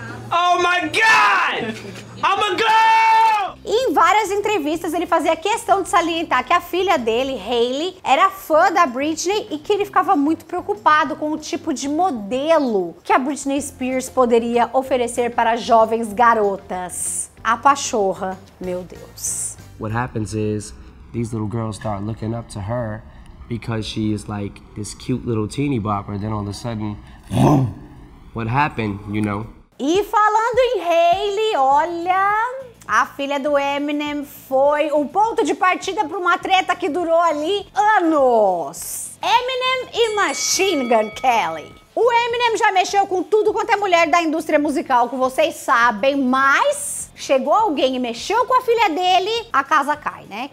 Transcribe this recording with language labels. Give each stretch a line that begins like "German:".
English: Oh my God! I'm a girl!
Portuguese: Em várias entrevistas ele fazia questão de salientar que a filha dele, Hailey, era fã da Britney e que ele ficava muito preocupado com o tipo de modelo que a Britney Spears poderia oferecer para jovens garotas. A pachorra, meu Deus.
English: What happens is these little girls start looking up to her because she is like this cute little teeny bopper. Then all of a sudden, boom! What happened, you know?
Portuguese: E falando em Hailey, olha, a filha do Eminem foi o ponto de partida para uma treta que durou ali anos. Eminem e Machine Gun Kelly. O Eminem já mexeu com tudo quanto é mulher da indústria musical, que vocês sabem, mas chegou alguém e mexeu com a filha dele, a casa cai, né?